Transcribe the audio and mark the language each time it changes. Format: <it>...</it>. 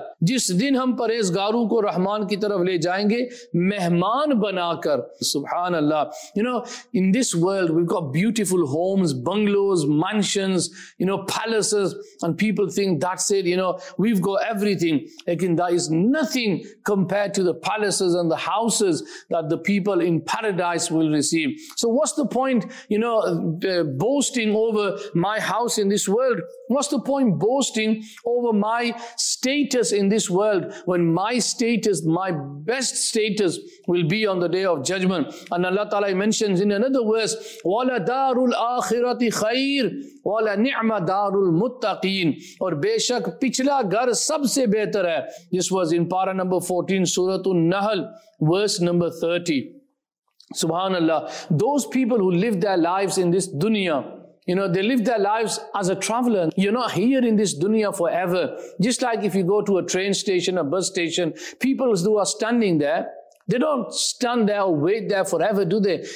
<ur>جس دن ہم پریزگاروں کو رحمان کی طرف لے جائیں گے مہمان بنا کر.</ur> <ar>سبحان اللہ.</ar> <en>You know, in this world, we've got beautiful homes, bungalows, mansions, you know, palaces, and people think that's it, you know, we've got everything. Again, that is nothing compared to the palaces and the houses that the people in paradise will receive. So what's the point, you know, boasting over my house in this world? What's the point boasting over my status in this world when my status, my best status, will be on the day of judgment? And Allah Ta'ala mentions in another verse,</en> <ar>وَلَا دَارُ الْآخِرَةِ خَيْرٌ وَلَا نِعْمَ دَارُ الْمُتَّقِينَ.</ar> <ur>اور بے شک پچھلا گھر سب سے بہتر ہے.</ur> <en>This was in para number 14, Surah An-Nahl, verse number 30. Subhanallah. Those people who live their lives in this dunya, you know, they live their lives as a traveler. You're not here in this dunya forever. Just like if you go to a train station, a bus station, people who are standing there, they don't stand there or wait there forever, do they?</en>